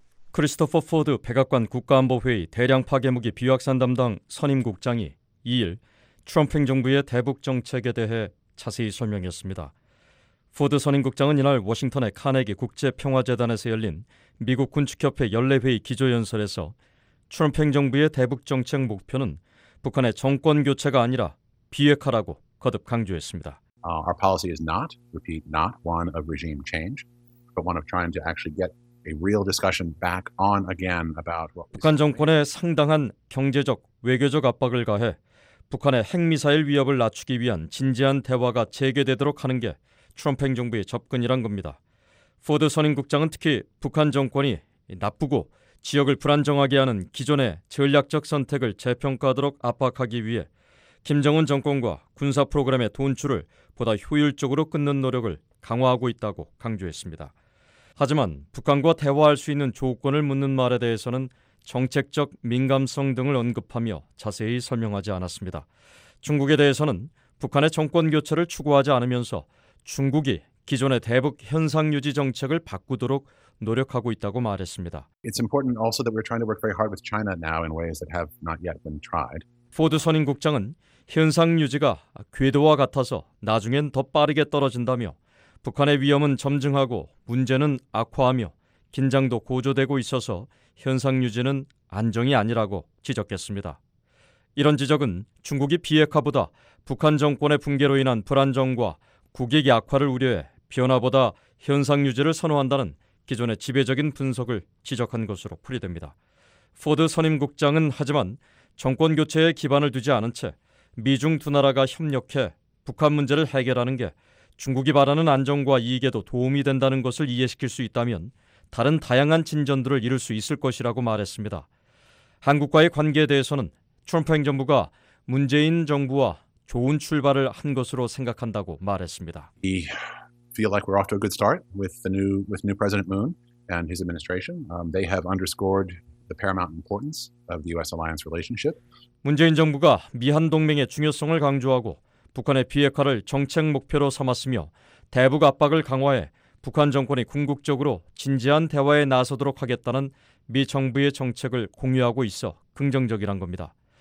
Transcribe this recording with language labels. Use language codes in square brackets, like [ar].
[ko] 크리스토퍼 포드 백악관 국가안보회의 대량 파괴무기 비확산 담당 선임 국장이 2일 트럼프 행정부의 대북 정책에 대해 자세히 설명했습니다. 포드 선임 국장은 이날 워싱턴의 카네기 국제평화재단에서 열린 미국 군축협회 연례회의 기조연설에서 트럼프 행정부의 대북 정책 목표는 북한의 정권 교체가 아니라 비핵화라고 거듭 강조했습니다. [en] Our policy is not, repeat, not one of regime change, but one of trying to actually get a real discussion back on again about what [ko] 북한 정권의 상당한 경제적, 외교적 압박을 가해 북한의 핵미사일 위협을 낮추기 위한 진지한 대화가 재개되도록 하는 게 트럼프 행정부의 접근이란 겁니다. 포드 선임 국장은 특히 북한 정권이 나쁘고 지역을 불안정하게 하는 기존의 전략적 선택을 재평가하도록 압박하기 위해 김정은 정권과 군사 프로그램의 돈출을 보다 효율적으로 끊는 노력을 강화하고 있다고 강조했습니다. 하지만 북한과 대화할 수 있는 조건을 묻는 말에 대해서는 정책적 민감성 등을 언급하며 자세히 설명하지 않았습니다. 중국에 대해서는 북한의 정권 교체를 추구하지 않으면서 중국이 기존의 대북 현상 유지 정책을 바꾸도록 노력하고 있다고 말했습니다. [en] It's important also that we're trying to work very hard with China now in ways that have not yet been tried. [ko] 포드 선임 국장은 현상 유지가 궤도와 같아서 나중엔 더 빠르게 떨어진다며 북한의 위험은 점증하고 문제는 악화하며 긴장도 고조되고 있어서 현상 유지는 안정이 아니라고 지적했습니다. 이런 지적은 중국이 비핵화보다 북한 정권의 붕괴로 인한 불안정과 국익 악화를 우려해 변화보다 현상 유지를 선호한다는 기존의 지배적인 분석을 지적한 것으로 풀이됩니다. 포드 선임 국장은 하지만 정권 교체에 기반을 두지 않은 채 미중 두 나라가 협력해 북한 문제를 해결하는 게 중국이 바라는 안정과 이익에도 도움이 된다는 것을 이해시킬 수 있다면 다른 다양한 진전들을 이룰 수 있을 것이라고 말했습니다. 한국과의 관계에 대해서는 트럼프 행정부가 문재인 정부와 좋은 출발을 한 것으로 생각한다고 말했습니다. [en] Feel like we're off to a good start with new President Moon and his administration. They have underscored the paramount importance of the U.S. alliance relationship. [ko] 문재인 정부가 미한 동맹의 중요성을 강조하고 북한의 비핵화를 정책 목표로 삼았으며 대북 압박을 강화해 북한 정권이 궁극적으로 진지한 대화에 나서도록 하겠다는 미 정부의 정책을 공유하고 있어 긍정적이란 겁니다.